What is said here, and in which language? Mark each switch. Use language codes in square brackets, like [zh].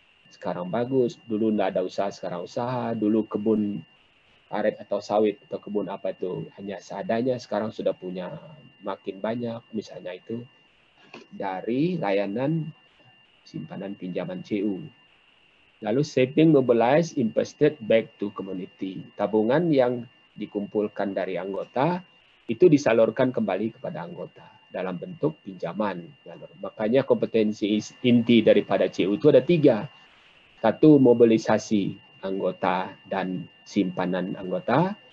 [id] Sekarang bagus, dulu tidak ada usaha, sekarang usaha. Dulu kebun karet atau sawit atau kebun apa itu hanya seadanya, sekarang sudah punya makin banyak. Misalnya itu dari layanan simpanan pinjaman CU. [en] Lalu saving mobilized, invested back to community. [id] Tabungan yang dikumpulkan dari anggota itu disalurkan kembali kepada anggota dalam bentuk pinjaman. Makanya kompetensi inti daripada CU itu ada 3. Satu, mobilisasi anggota dan simpanan anggota.